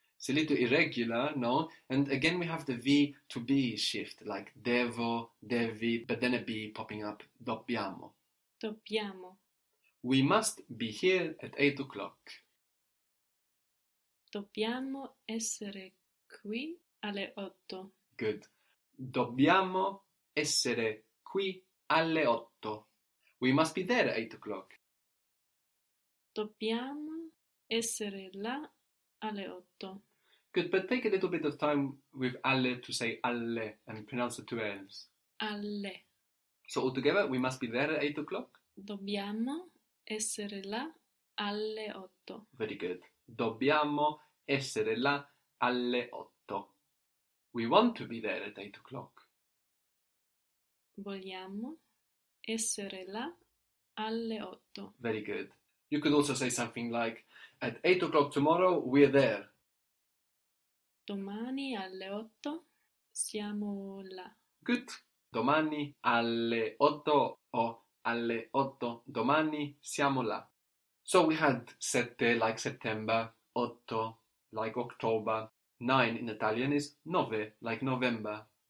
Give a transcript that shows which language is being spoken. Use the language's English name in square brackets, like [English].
[English] It's a little irregular, no? And again, we have the V to B shift, like devo, devi, but then a B popping up. [Italian] Dobbiamo. Dobbiamo. [English] We must be here at 8 o'clock. [Italian] Dobbiamo essere qui alle 8. [English] Good. [Italian] Dobbiamo essere qui alle 8. [English] We must be there at 8 o'clock. [Italian] Dobbiamo essere là alle 8. [English] Good, but take a little bit of time with alle to say alle and pronounce the two L's. [Italian] Alle. [English] So all together, we must be there at 8 o'clock. [Italian] Dobbiamo essere là alle 8. [English] Very good. [Italian] Dobbiamo essere là alle 8. [English] We want to be there at 8 o'clock. [Italian] Vogliamo essere là alle 8. [English] Very good. You could also say something like, at 8 o'clock tomorrow, we're there. [Italian] Domani alle 8 siamo là. [English] Good. [Italian] Domani alle 8 o alle 8 domani siamo là. [English] So we had 7 like September, 8 like October, 9 in Italian is 9 like November.